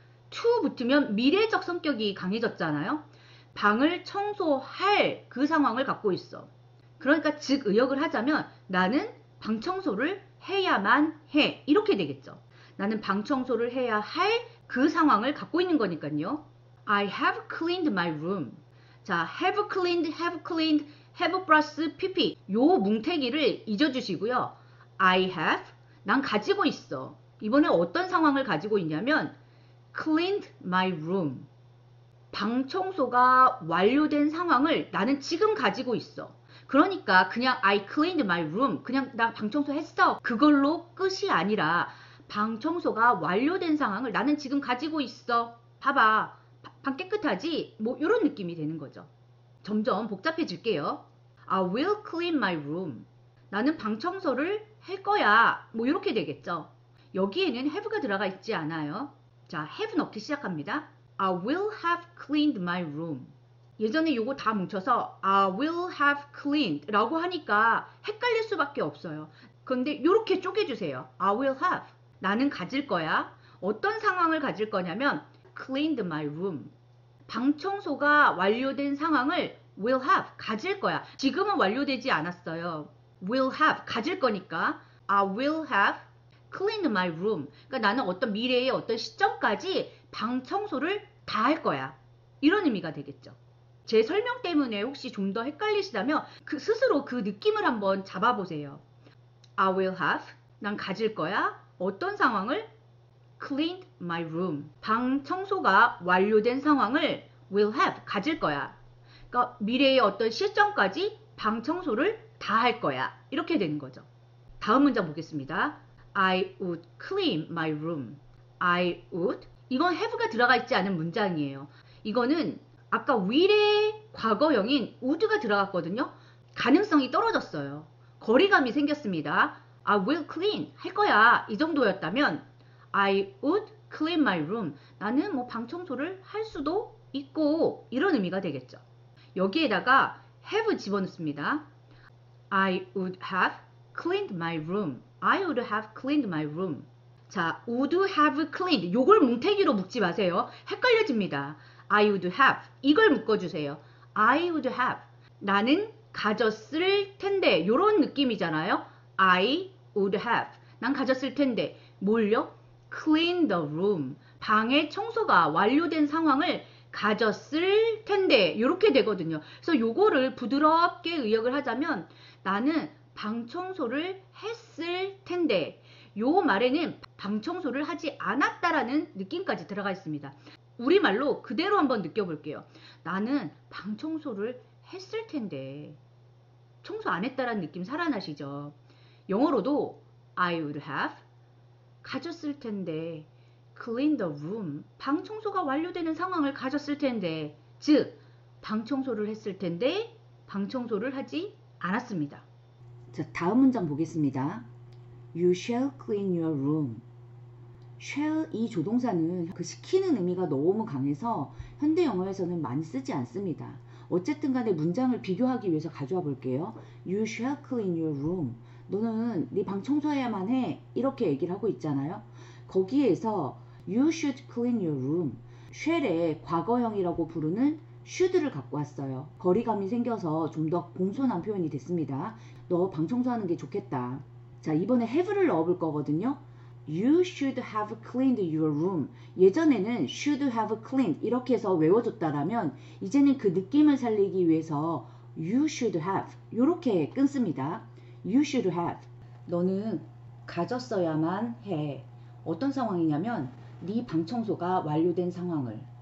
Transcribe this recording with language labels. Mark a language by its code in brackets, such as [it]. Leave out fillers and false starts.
[ko] to 붙으면 미래적 성격이 강해졌잖아요. 방을 청소할 그 상황을 갖고 있어. 그러니까 즉의역을 하자면 나는 방 청소를 해야만 해. 이렇게 되겠죠. 나는 방 청소를 해야 할 그 상황을 갖고 있는 거니까요. [en] I have cleaned my room. 자, have cleaned, have plus pp. [ko] 요 뭉태기를 잊어주시고요. [en] I have, [ko] 난 가지고 있어. 이번에 어떤 상황을 가지고 있냐면 [en] cleaned my room. [ko] 방 청소가 완료된 상황을 나는 지금 가지고 있어. [en] 그러니까 그냥 I cleaned my room. [ko] 그냥 나 방 청소 했어. 그걸로 끝이 아니라 방 청소가 완료된 상황을 나는 지금 가지고 있어. 봐봐. 방 깨끗하지? 뭐 이런 느낌이 되는 거죠. 점점 복잡해질게요. [en] I will clean my room. [ko] 나는 방 청소를 할 거야. 뭐 이렇게 되겠죠. 여기에는 have가 들어가 있지 않아요. 자, have 넣기 시작합니다. [en] I will have cleaned my room. [ko] 예전에 요거 다 뭉쳐서 [en] I will have cleaned [ko] 라고 하니까 헷갈릴 수밖에 없어요. 근데 요렇게 쪼개주세요. [en] I will have. [ko] 나는 가질 거야. 어떤 상황을 가질 거냐면 [en] cleaned my room. [ko] 방 청소가 완료된 상황을 [en] will have. [ko] 가질 거야. 지금은 완료되지 않았어요. [en] will have. [ko] 가질 거니까 [en] I will have cleaned my room. [ko] 그러니까 나는 어떤 미래의 어떤 시점까지 방 청소를 다 할 거야. 이런 의미가 되겠죠. 제 설명 때문에 혹시 좀 더 헷갈리시다면 그 스스로 그 느낌을 한번 잡아보세요. [en] I will have. [ko] 난 가질 거야. 어떤 상황을? [en] Cleaned my room. [ko] 방 청소가 완료된 상황을 [en] will have. [ko] 가질 거야. 그러니까 미래의 어떤 시점까지 방 청소를 다 할 거야. 이렇게 되는 거죠. 다음 문장 보겠습니다. [en] I would clean my room. I would. [ko] 이건 have가 들어가 있지 않은 문장이에요. 이거는 아까 will의 과거형인 would가 들어갔거든요. 가능성이 떨어졌어요. 거리감이 생겼습니다. [en] I will clean. [ko] 할 거야. 이 정도였다면 [en] I would clean my room. [ko] 나는 뭐 방 청소를 할 수도 있고 이런 의미가 되겠죠. 여기에다가 have 집어넣습니다. [en] I would have cleaned my room. I would have cleaned my room. 자, would have cleaned. [ko] 요걸 뭉태기로 묶지 마세요. 헷갈려집니다. [en] I would have. [ko] 이걸 묶어주세요. [en] I would have. [ko] 나는 가졌을 텐데. 요런 느낌이잖아요. [en] I would have. [ko] 난 가졌을 텐데. 뭘요? [en] Clean the room. [ko] 방의 청소가 완료된 상황을 가졌을 텐데. 요렇게 되거든요. 그래서 요거를 부드럽게 의역을 하자면 나는 방 청소를 했을 텐데. 요 말에는 방 청소를 하지 않았다라는 느낌까지 들어가 있습니다. 우리말로 그대로 한번 느껴볼게요. 나는 방 청소를 했을 텐데. 청소 안 했다라는 느낌 살아나시죠? [en] 영어로도 I would have [ko] 가졌을 텐데 [en] clean the room. [ko] 방 청소가 완료되는 상황을 가졌을 텐데. 즉, 방 청소를 했을 텐데 방 청소를 하지 않았습니다. 자, 다음 문장 보겠습니다. [en] You shall clean your room. [ko] shall 이 조동사는 그 시키는 의미가 너무 강해서 현대 영어에서는 많이 쓰지 않습니다. 어쨌든 간에 문장을 비교하기 위해서 가져와 볼게요. [en] You shall clean your room. [ko] 너는 네 방 청소해야만 해. 이렇게 얘기를 하고 있잖아요. [en] 거기에서 You should clean your room. [ko] shall의 과거형이라고 부르는 should를 갖고 왔어요. 거리감이 생겨서 좀 더 공손한 표현이 됐습니다. 너 방 청소하는 게 좋겠다. 자, 이번에 have를 넣어볼 거거든요. [en] You should have cleaned your room. [ko] 예전에는 [en] should have cleaned [ko] 이렇게 해서 외워줬다라면 이제는 그 느낌을 살리기 위해서 [en] you should have [ko] 이렇게 끊습니다. [en] You should have. [ko] 너는 가졌어야만 해. 어떤 상황이냐면 네 방 청소가 완료된 상황을.